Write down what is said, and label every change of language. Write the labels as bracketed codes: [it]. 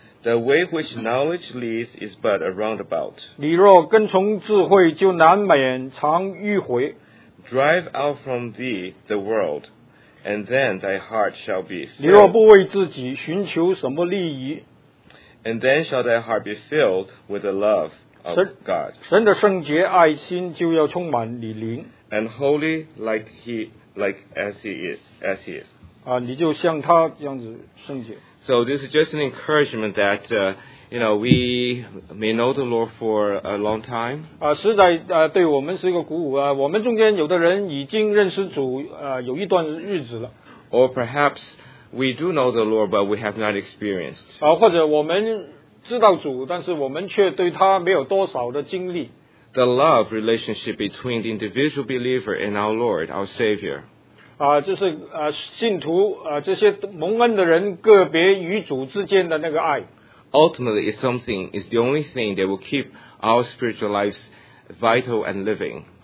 [en] The way which knowledge leads is but a roundabout. [zh] 你若跟从智慧就难免常迂回。 [en] Drive out from thee the world, and then thy heart shall be filled. [zh] 你若不为自己寻求什么利益, [en] and then shall thy heart be filled with the love of God. [zh] 神的圣洁爱心就要充满你灵, [en] and holy like he, like as he is, as he is. [zh] 你就像他这样子圣洁。 [en] So this is just an encouragement that, you know, we may know the Lord for a long time. [zh] 实在对我们是一个鼓舞啊！我们中间有的人已经认识主有一段日子了。 [en] Or perhaps we do know the Lord, but we have not experienced. [zh] 或者我们知道主，但是我们却对他没有多少的经历。 [en] The love relationship between the individual believer and our Lord, our Savior. [zh] 就是信徒这些蒙恩的人个别与主之间的那个爱。 [en] Ultimately, it's something, it's the only thing that will keep our spiritual lives vital and living.